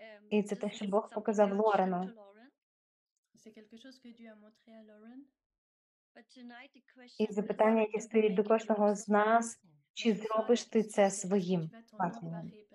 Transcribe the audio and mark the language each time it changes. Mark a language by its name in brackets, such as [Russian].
[Ukrainian] і це те, що Бог показав Лорену. [French] C'est quelque chose que Dieu a montré à Lauren. [English] But tonight the question [Ukrainian] і запитання, яке стоїть до кожного з нас, чи зробиш ти це своїм партнером?